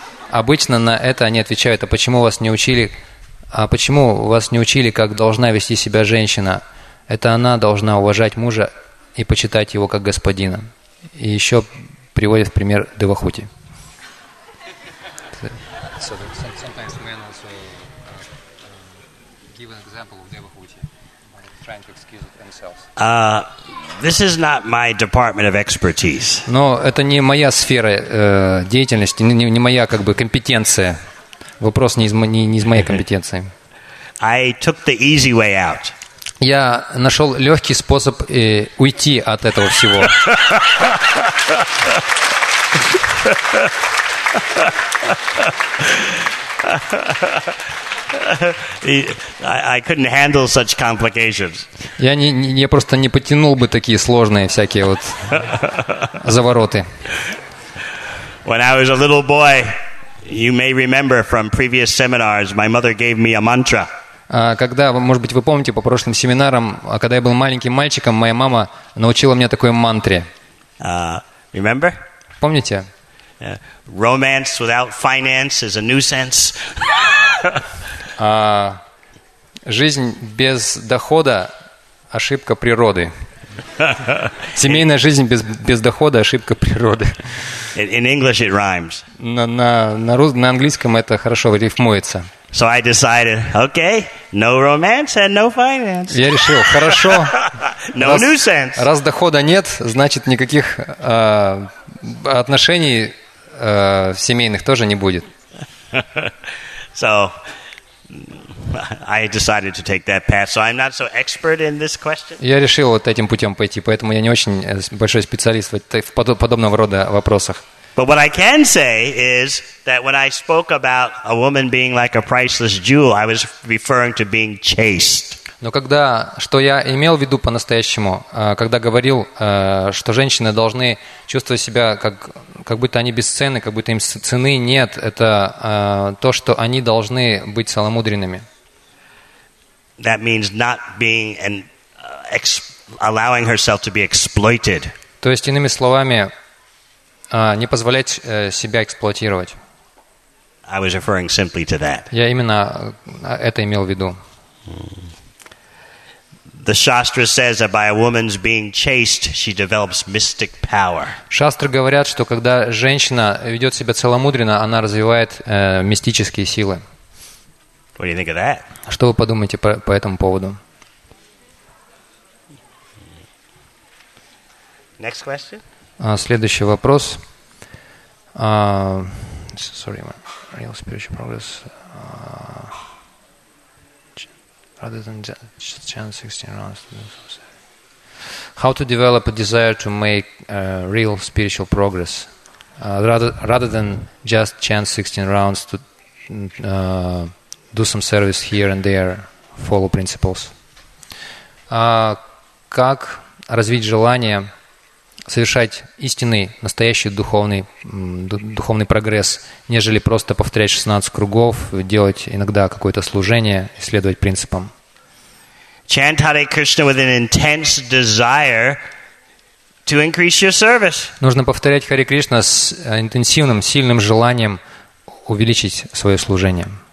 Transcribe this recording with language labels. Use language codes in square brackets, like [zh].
[ru] Обычно на это они отвечают: а почему вас не учили? А почему вас не учили, как должна вести себя женщина? Это она должна уважать мужа и почитать его как господина. И еще приводит в пример Девахути. [en] Sometimes men also give an example of Девахути, trying to excuse themselves. This is not my department of expertise. [ru] Но это не моя сфера деятельности, не моя как бы компетенция. Вопрос не из моей компетенции. [en] I took the easy way out. [ru] Я нашел легкий способ уйти от этого всего. [en] I couldn't handle such complications. [ru] Я просто не потянул бы такие сложные всякие вот завороты. [en] When I was a little boy, you may remember from previous seminars, my mother gave me a mantra. [ru] Когда, может быть, вы помните по прошлым семинарам, когда я был маленьким мальчиком, моя мама научила меня такой мантре. [en] Remember? [ru] Помните? [en] Romance without finance is a nuisance. [ru] Жизнь без дохода – ошибка природы. Семейная жизнь без дохода – ошибка природы. [en] In English it rhymes. [ru] На английском это хорошо рифмуется. [en] So I decided, okay, no romance and no finance. [ru] Я решил, хорошо. [en] No nuisance. [ru] Раз дохода нет, значит, никаких отношений семейных тоже не будет. [en] So I decided to take that path. So I'm not so expert in this question. [ru] Я решил вот этим путем пойти, поэтому я не очень большой специалист в подобного рода вопросах. [en] But what I can say is that when I spoke about a woman being like a priceless jewel, I was referring to being chaste. [ru] Но когда, что я имел в виду по-настоящему, когда говорил, что женщины должны чувствовать себя как будто они бесценны, как будто им цены нет, это то, что они должны быть целомудренными. [en] That means not being and allowing herself to be exploited. [ru] То есть, иными словами, не позволять себя эксплуатировать. [en] I was referring simply to that. [ru] Я именно это имел в виду. [en] The Shastra says that by a woman's being chaste, she develops mystic power. [ru] Шастры говорят, что когда женщина ведет себя целомудренно, она развивает мистические силы. [en] What do you think of that? [ru] Что вы подумаете по этому поводу? [en] Next question. [ru] Следующий вопрос. [en] Sorry, my real spiritual progress. Rather than chant 16 rounds. How to develop a desire to make real spiritual progress rather than just chant 16 rounds to do some service here and there, follow principles. [ru] Как развить желание совершать истинный, настоящий духовный прогресс, нежели просто повторять 16 кругов, делать иногда какое-то служение, следовать принципам? [en] Chant Hare Krishna with an intense desire to increase your service. [ru] Нужно повторять Харе Кришна с интенсивным, сильным желанием увеличить свое служение.